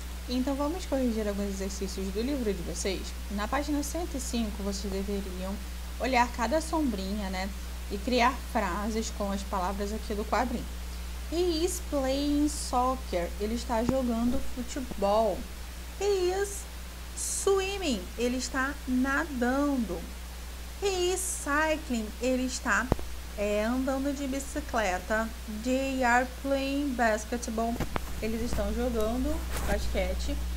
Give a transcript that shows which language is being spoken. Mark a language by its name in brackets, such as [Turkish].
[Portuguese] Então vamos corrigir alguns exercícios do livro de vocês. Na página 105, vocês deveriam olhar cada sombrinha, né, e criar frases com as palavras aqui do quadrinho. [English] He is playing soccer. [Portuguese] Ele está jogando futebol. [English] He is swimming. [Portuguese] Ele está nadando. [English] He is cycling. [Portuguese] Ele está andando de bicicleta. [English] They are playing basketball. [Portuguese] Eles estão jogando basquete.